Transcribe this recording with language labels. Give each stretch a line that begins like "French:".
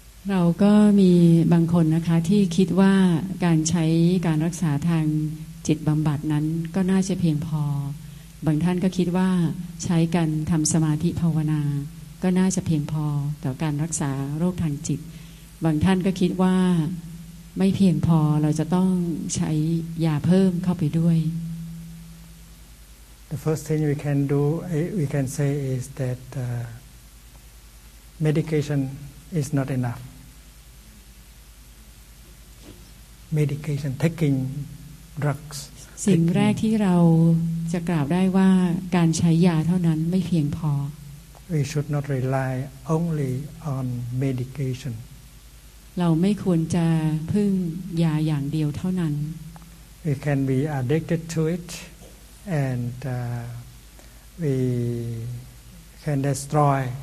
Thai: เราก็มีบางคนนะคะที่คิดว่าการใช้การรักษาทางจิตบำบัดนั้นก็น่าจะเพียงพอบางท่านก็คิดว่าใช้การทำสมาธิภาวนาก็น่าจะเพียงพอต่อการรักษาโรคทางจิตบางท่านก็คิดว่าไม่เพียงพอเราจะต้องใช้ยาเพิ่มเข้าไปด้วย
English: The first thing we can do we can say is that medicationIs not enough. Medication, taking drugs.
Thai: สิ่งแรกที่เราจะกล่าวได้ว่าการใช้ยาเท่านั้นไม่เพียงพอ
English: We should not rely only on medication.
Thai: เราไม่ควรจะพึ่งยาอย่างเดียวเท่านั้น
English: We can be addicted to it, and we can destroy.